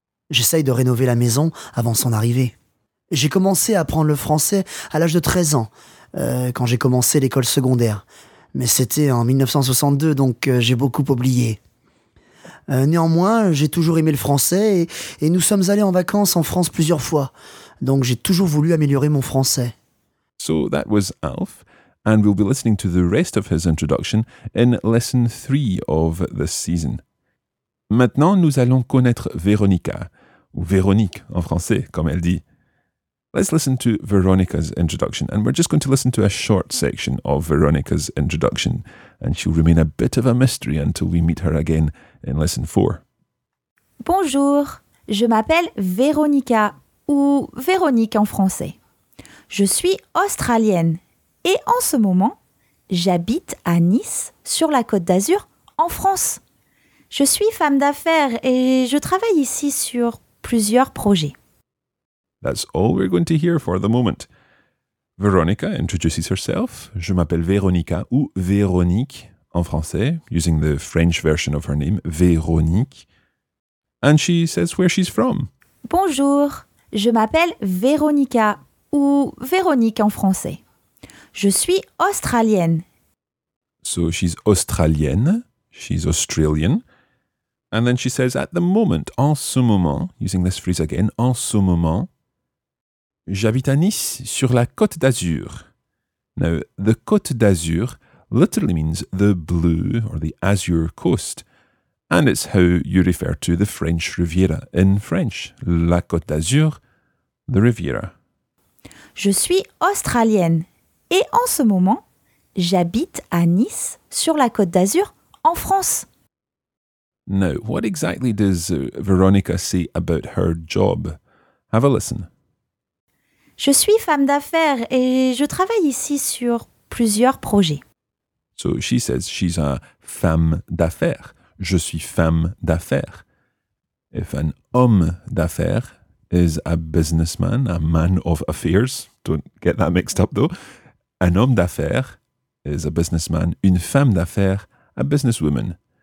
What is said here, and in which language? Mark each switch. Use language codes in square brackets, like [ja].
[fr] J'essaye de rénover la maison avant son arrivée. J'ai commencé à apprendre le français à l'âge de 13 ans, quand j'ai commencé l'école secondaire. Mais c'était en 1962, donc j'ai beaucoup oublié. Néanmoins, j'ai toujours aimé le français et nous sommes allés en vacances en France plusieurs fois. Donc j'ai toujours voulu améliorer mon français. [en] So that was Alf, and we'll be listening to the rest of his introduction in lesson 3 of this season. [fr] Maintenant, nous allons connaître Véronica, ou Véronique en français, comme elle dit. [en] Let's listen to Veronica's introduction, and we're just going to listen to a short section of Veronica's introduction, and she'll remain a bit of a mystery until we meet her again in lesson 4. [fr] Bonjour, je m'appelle Veronica, ou Véronique en français. Je suis australienne, et en ce moment, j'habite à Nice, sur la Côte d'Azur, en France. Je suis femme d'affaires et je travaille ici sur plusieurs projets. [en] That's all we're going to hear for the moment. Veronica introduces herself. Je m'appelle Veronica ou Véronique en français, using the French version of her name, Véronique. And she says where she's from. [fr] Bonjour, je m'appelle Veronica ou Véronique en français. Je suis australienne. [en] So she's australienne. She's Australian. And then she says at the moment, en ce moment, using this phrase again, en ce moment. [fr] J'habite à Nice, sur la Côte d'Azur. [en] Now, the Côte d'Azur literally means the blue or the azure coast, and it's how you refer to the French Riviera in French. La Côte d'Azur, the Riviera. [fr] Je suis australienne Et en ce moment, j'habite à Nice, sur la Côte d'Azur, en France. [en] Now, what exactly does Veronica say about her job? Have a listen. [fr] Je suis femme d'affaires et je travaille ici sur plusieurs projets. [en] So she says she's a femme d'affaires. [fr] Je suis femme d'affaires. [en] If an homme d'affaires is a businessman, a man of affairs, don't get that mixed up though, un homme d'affaires is a businessman, une femme d'affaires, a businesswoman.